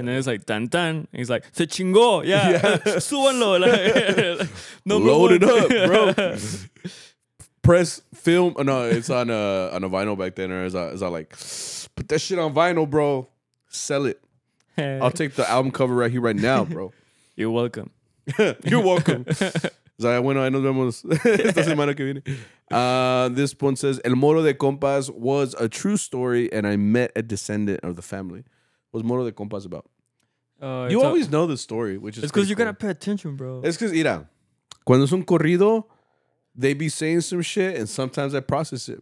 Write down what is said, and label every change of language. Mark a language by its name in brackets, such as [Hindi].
[English] And then it's like, tan tan. He's like, [Spanish] se chingó, [English] yeah, [Spanish] súbanlo, [English] load it up, bro. Press film. No, it's on a vinyl back then. Or is I like, put that shit on vinyl, bro. Sell it. I'll take the album cover right here, right now, bro. You're welcome. You're welcome. [Spanish] Bueno, ahí nos vemos esta semana que viene. [English] This one says, El Moro de Compas was a true story and I met a descendant of the family. What's Moro de Compas about? You always know the story, which is it's because you gotta pay attention, bro. It's because, [Spanish] mira, cuando es un corrido, [English] they be saying some shit and sometimes I process it.